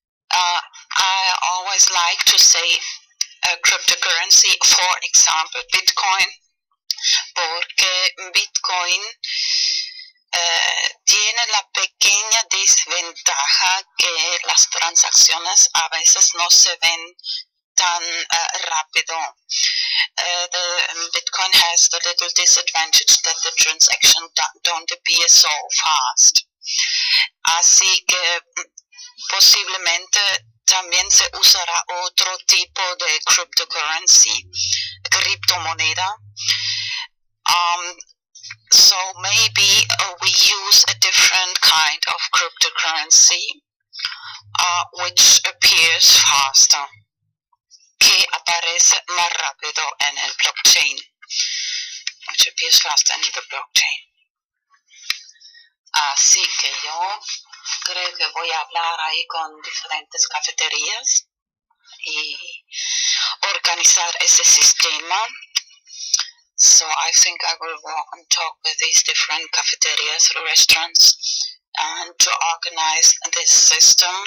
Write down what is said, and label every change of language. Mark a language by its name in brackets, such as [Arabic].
[English] I always like to say cryptocurrency, for example, Bitcoin, [Spanish] porque Bitcoin tiene la pequeña desventaja que las transacciones a veces no se ven tan rápido. [English] Bitcoin has the little disadvantage that the transaction don't appear so fast. [Spanish] Así que posiblemente también se usará otro tipo de cryptocurrency, criptomoneda. [English] So maybe we use a different kind of cryptocurrency, which appears faster, [Spanish] que aparece más rápido en el blockchain, [English] which appears faster in the blockchain. [Spanish] Así que yo creo que voy a hablar ahí con diferentes cafeterías y organizar ese sistema. [English] So I think I will go and talk with these different cafeterías, restaurants, and to organize this system.